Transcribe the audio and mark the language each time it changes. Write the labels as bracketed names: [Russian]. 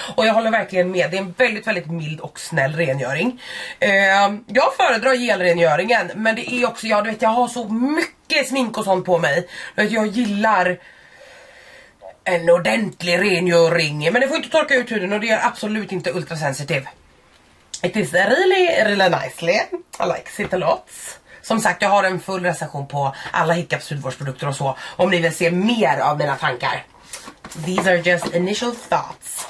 [Swedish] Och jag håller verkligen med, det är en väldigt, väldigt mild och snäll rengöring. Jag föredrar gelrengöringen, men det är också, ja du vet, jag har så mycket smink och sånt på mig. Du vet, jag gillar en ordentlig rengöring, men det får inte torka ut huden och det är absolut inte ultrasensitiv. [English] It is really, really nicely. I like it a lot. [Swedish] Som sagt, jag har en full recension på alla Hiccups hudvårdsprodukter och så. Om ni vill se mer av mina tankar. [English] These are just initial thoughts.